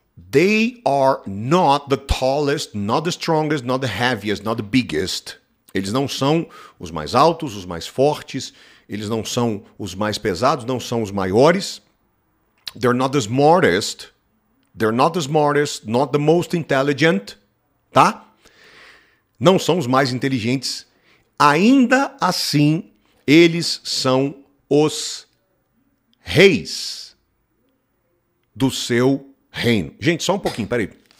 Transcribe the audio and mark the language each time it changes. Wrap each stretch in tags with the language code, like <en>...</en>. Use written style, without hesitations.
<en>They are not the tallest, not the strongest, not the heaviest, not the biggest.</en> <pt>Eles não são os mais altos, os mais fortes. Eles não são os mais pesados, não são os maiores.</pt> <en>They're not the smartest. They're not the smartest, not the most intelligent.</en> <pt>Tá? Não são os mais inteligentes. Ainda assim, eles são os reis do seu reino. Gente, só um pouquinho, peraí.</pt>